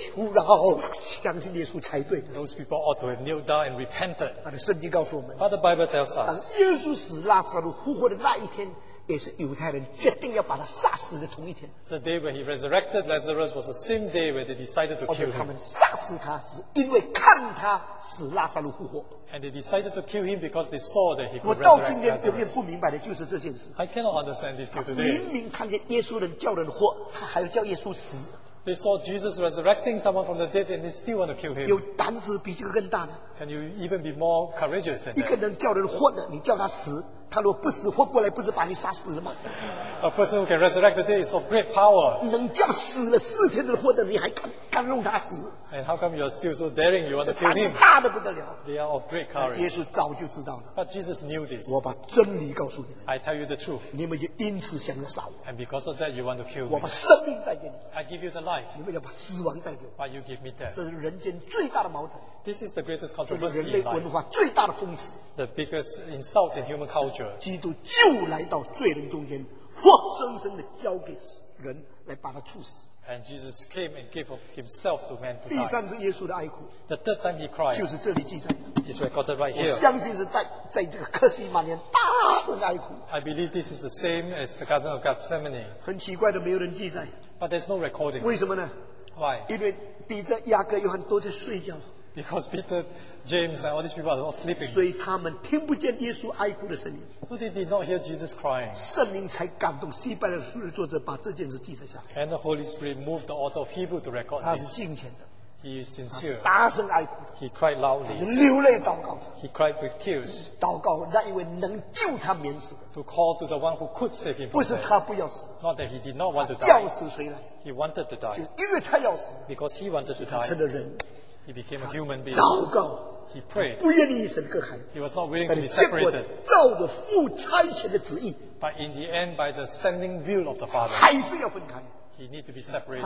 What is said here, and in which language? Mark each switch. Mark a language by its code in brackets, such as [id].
[zh] 那些人应当马上跪下来认罪求饶相信耶稣才对, [en] those people ought to have kneeled down and repented. [zh] 但是圣经告诉我们, [en] but the Bible tells us, [zh] 耶稣使拉萨路复活的那一天, 也是犹太人决定要把他杀死的同一天, [en] the day when he resurrected Lazarus was the same day where they decided to kill him. [zh] 他们杀死他是因为看他使拉萨路复活, [en] and they decided to kill him because they saw that he could resurrect [zh] 我到今天有点不明白的就是这件事, [en] I cannot understand this till today. [zh] 明明看见耶稣人叫人活, 他还要叫耶稣死, [en] they saw Jesus resurrecting someone from the dead and they still want to kill him. [zh] 有胆子比这个更大呢? [en] Can you even be more courageous than that? [zh] 一个人叫人活的, 你叫他死, 他若不死活过来，不是把你杀死了吗？ [en] A person who can resurrect the dead is of great power. [zh] 能叫死了四天的活的，你还敢弄他死？ [en] And how come you are still so daring? You want to kill him? [zh] 大的不得了。 [en] They are of great courage. [zh] 耶稣早就知道了。 [en] But Jesus knew this. [zh] 我把真理告诉你。 [en] I tell you the truth. [zh] 你们也因此想要杀我。 [en] And because of that, you want to kill me. [zh] 我把生命带给你。 [en] I give you the life. [zh] 你们要把死亡带给我。 [en] But you give me death. [zh] 这是人间最大的矛盾。 [en] This is the greatest controversy in life. [zh] 人类文化最大的讽刺。 [en] The biggest insult in human culture. [zh] 基督就来到罪人中间，活生生的交给人来把他处死。 [en] And Jesus came and gave of himself to man to die. [zh] 第三次耶稣的哀哭。 [en] The third time he cried. [zh] 就是这里记载的。 [en] It's recorded right here. [zh] 我相信是在这个克西马尼大声哀哭。 [en] I believe this is the same as the Garden of Gethsemane. [zh] 很奇怪的，没有人记载。 [en] But there's no recording. [zh] 为什么呢？ [en] Why? [zh] 因为彼得、雅各、约翰都在睡觉。 [en] Because Peter, James, and all these people are not sleeping. [zh] 所以他们听不见耶稣哀哭的声音。 [en] So they did not hear Jesus crying. [zh] 圣灵才感动希伯来书的作者把这件事记载下来。 [en] And the Holy Spirit moved the author of Hebrew to record this. [zh] 他是敬虔的。 [en] He is sincere. [zh] 大声哀哭。 [en] He cried loudly. [zh] 流泪祷告。 [en] He cried with tears. [zh] 祷告那一位能救他免死的。 [en] To call to the one who could save him. [zh] 不是他不要死。 [en] Not that he did not want to die. [zh] 要死谁来？ [en] He wanted to die. [zh] 就因为他要死。 [en] Because he wanted to die. [zh] 他成了人。 [en] He became a human being. He prayed. He was not willing to be separated. But in the end, by the sending will of the Father, he needed to be separated.